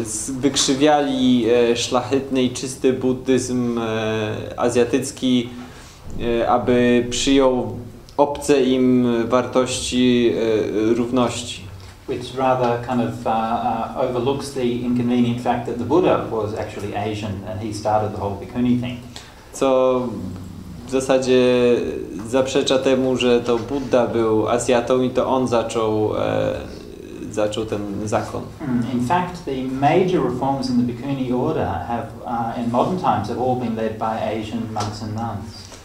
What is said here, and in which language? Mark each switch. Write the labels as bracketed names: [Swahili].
[Polish] wykrzywiali szlachetny i czysty buddyzm azjatycki, aby przyjął obce im wartości równości. [English] Which rather kind of overlooks the inconvenient fact that the Buddha was actually Asian and he started the whole bhikkhuni thing. [Polish] Co w zasadzie zaprzecza temu, że to Budda był Azjatą i to on zaczął ten zakon. [English] In fact, the major reforms in the bhikkhuni order have in modern times have all been led by Asian monks and nuns.